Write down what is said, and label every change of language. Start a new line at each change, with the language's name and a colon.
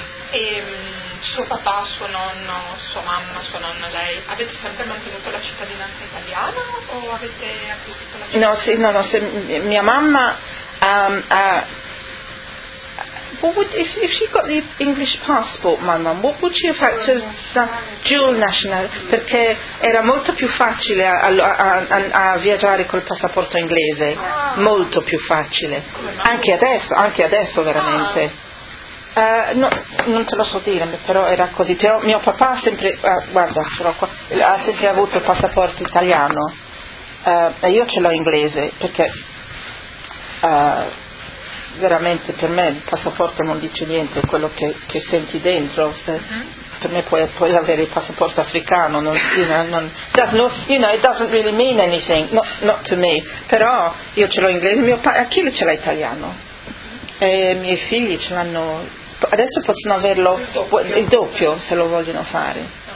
Italian: E suo papà, suo nonno, sua mamma, sua nonna, lei, avete sempre mantenuto la cittadinanza italiana o avete acquisito la cittadinanza?
English: No,
Italian: mia mamma
English: if she got the English passport, my mom, what would she have had to dual national?
Italian: Perché era molto più facile a viaggiare col passaporto inglese, molto più facile. Anche adesso veramente. Non te lo so dire, però era così. Però mio papà ha sempre, ha sempre avuto il passaporto italiano. E io ce l'ho inglese, perché veramente per me il passaporto non dice niente, è quello che senti dentro. Per me puoi avere il passaporto africano,
English: it doesn't really mean anything, not to me.
Italian: Però io ce l'ho inglese, mio padre, Achille ce l'ha italiano. E i miei figli ce l'hanno. Adesso possono averlo il doppio se lo vogliono fare.